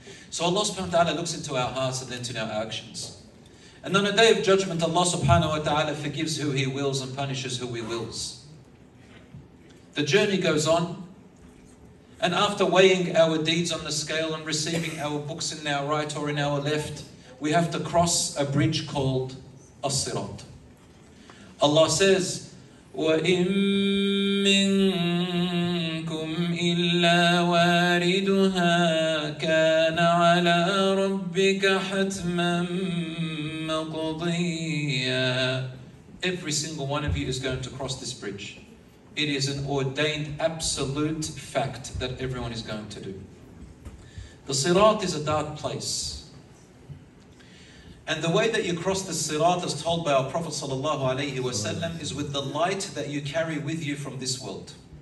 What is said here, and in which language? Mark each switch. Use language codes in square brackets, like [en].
[en] So Allah subhanahu wa ta'ala looks into our hearts and into our actions. And on the day of judgment, Allah subhanahu wa ta'ala forgives who He wills and punishes who He wills. The journey goes on. And after weighing our deeds on the scale and receiving our books in our right or in our left, we have to cross a bridge called As-Sirat. Allah says, [ar] وَإِن مِّنكُمْ إِلَّا وَارِدُهَا كَانَ عَلَىٰ رَبِّكَ ربك حتما مقضيا. [en] Every single one of you is going to cross this bridge. It is an ordained absolute fact that everyone is going to do. The Sirat is a dark place. And the way that you cross the Sirat, as told by our Prophet sallallahu alayhi wa sallam, is with the light that you carry with you from this world.